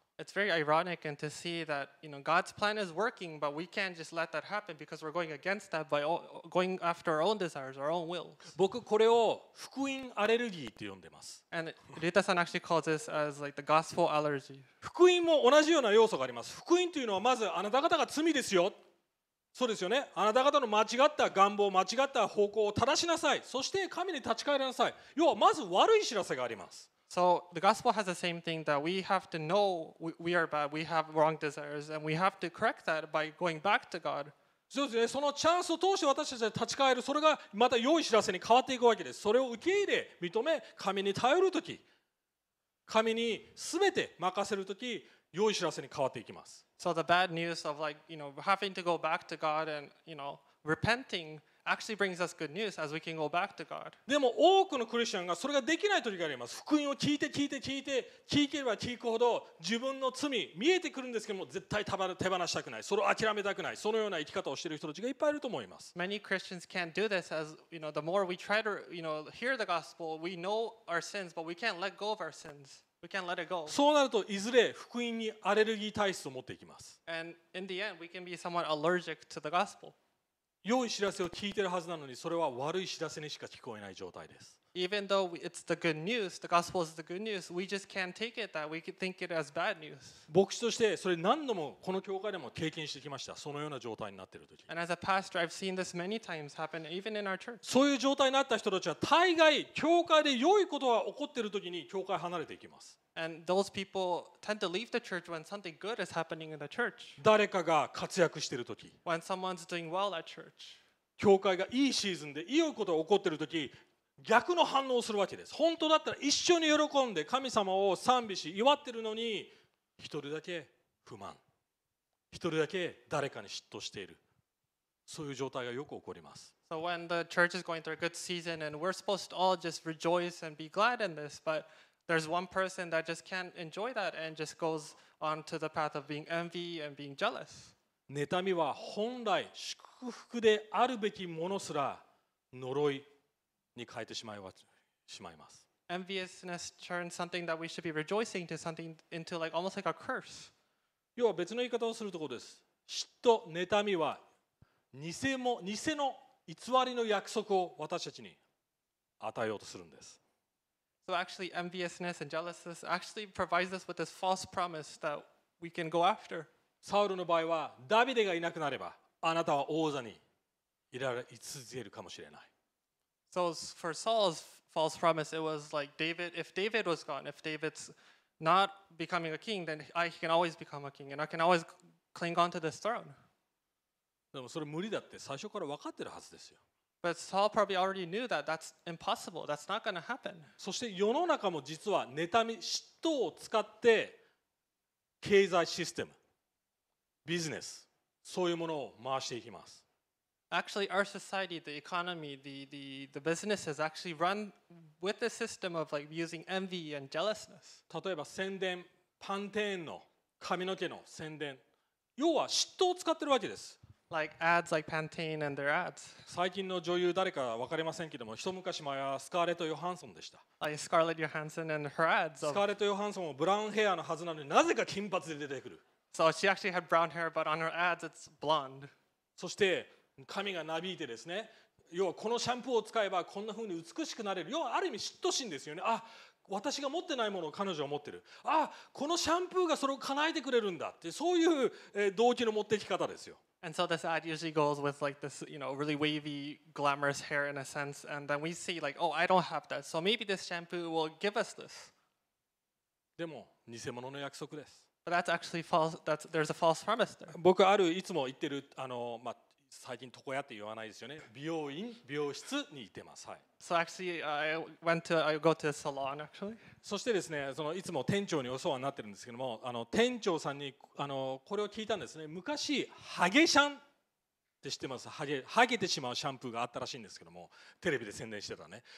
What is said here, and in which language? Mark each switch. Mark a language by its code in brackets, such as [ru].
[en] It's very ironic and to see that, you know, God's plan is working, but we can't just let that happen because we're going against that by going after our own desires, our own wills. [ja] 僕これを福音アレルギーと呼んでます。 [en] And Rita さん actually calls this as like the gospel allergy. [ja] 福音も同じような要素があります。福音というのはまずあなた方が罪ですよ。そうですよね。あなた方の間違った願望、間違った方向を正しなさい。そして神に立ち返りなさい。要はまず悪い知らせがあります。 [en] So the gospel has the same thing that we have to know we are bad, we have wrong desires, and we have to correct that by going back to God. [ja] そうですね。そのチャンスを通して私たちが立ち返る、それがまた良い知らせに変わっていくわけです。それを受け入れ、認め、神に頼るとき、神にすべて任せるとき、良い知らせに変わっていきます。 [en] So the bad news of like, you know, having to go back to God and, you know, repenting actually brings us good news as we can go back to God. [ja] でも多くのクリスチャンがそれができない時があります。福音を聞いて聞いて聞いて、聞ければ聞くほど自分の罪見えてくるんですけども、絶対手放したくない。それを諦めたくない。そのような生き方をしている人たちがいっぱいいると思います。 [en] Many Christians can't do this as, you know, the more we try to, you know, hear the gospel, we know our sins, but we can't let go of our sins. We can't let it go. [ja] そうなるといずれ福音にアレルギー体質を持っていきます。 [en] And in the end, we can be somewhat allergic to the gospel. [ja] 良い知らせを聞いてるはずなのに、それは悪い知らせにしか聞こえない状態です。 [en] Even though it's the good news, the gospel is the good news, we just can't take it that we could think it as bad news. [ja] 牧師としてそれ何度もこの教会でも経験してきました。そのような状態になっている時。 [en] And as a pastor, I've seen this many times happen, even in our church. [ja] そういう状態になった人たちは大概教会で良いことが起こっている時に教会離れていきます。 [en] And those people tend to leave the church when something good is happening in the church. [ja] 誰かが活躍している時。 [en] When someone's doing well at church. [ja] 教会がいいシーズンで良いことが起こっている時。逆の反応をするわけです。本当だったら一緒に喜んで神様を賛美し祝ってるのに、一人だけ不満、一人だけ誰かに嫉妬している、そういう状態がよく起こります。 [en] So when the church is going through a good season and we're supposed to all just rejoice and be glad in this, but there's one person that just can't enjoy that and just goes on to the path of being envy and being jealous. [ja] 妬みは本来祝福であるべきものすら呪いに変えてしまいます。 [en] Enviousness turns something that we should be rejoicing to something into like almost like a curse. [ja] 要は別の言い方をするところです。嫉妬、妬みは偽の偽りの約束を私たちに与えようとするんです。 [en] So actually, enviousness and jealousy actually provides us with this false promise that we can go after. [ja] サウルの場合はダビデがいなくなればあなたは王座にいられ続けるかもしれない。 [en] So for Saul's false promise, it was like David, if David was gone, if David's not becoming a king, then he can always become a king and I can always cling on to this throne. [ja] でもそれ無理だって最初から分かってるはずですよ。 [en] But Saul probably already knew that that's impossible, that's not going to happen. [ja] そして世の中も実は妬み、嫉妬を使って経済システム、ビジネス、そういうものを回していきます。 [en] Actually, our society, the economy, the businesses actually run with the system of like using envy and jealousness. [ja] 例えば宣伝、パンテーンの髪の毛の宣伝、要は嫉妬を使ってるわけです。 [en] Like ads, like Pantene and their ads. [ja] 最近の女優誰か分かりませんけども、一昔前はスカーレット・ヨハンソンでした。 [en] Like Scarlett Johansson and her ads. [ja] スカーレット・ヨハンソンもブラウンヘアのはずなのになぜか金髪で出てくる。 [en] So she actually had brown hair, but on her ads, it's blonde. [ja] そして髪がなびいてですね、要はこのシャンプーを使えばこんな風に美しくなれる、要はある意味嫉妬心ですよね。あ、私が持ってないものを彼女は持ってる、あ、このシャンプーがそれを叶えてくれるんだって、そういう動機の持ってき方ですよ。 [en] And so this ad usually goes with like this, you know, really wavy glamorous hair in a sense, and then we see like, oh, I don't have that, so maybe this shampoo will give us this. [ja] でも偽物の約束です。 [en] But that's actually false, that's, there's a false promise there. [ja] 僕あるいつも言ってる、まあ最近床屋って言わないですよね。美容室に行ってます。はい。 [en] So actually, I go to a salon actually. [ja] そしてですね、そのいつも店長にお世話になってるんですけども、店長さんにこれを聞いたんですね。昔ハゲシャンって知ってます。ハゲてしまうシャンプーがあったらしいんですけども、テレビで宣伝してたね。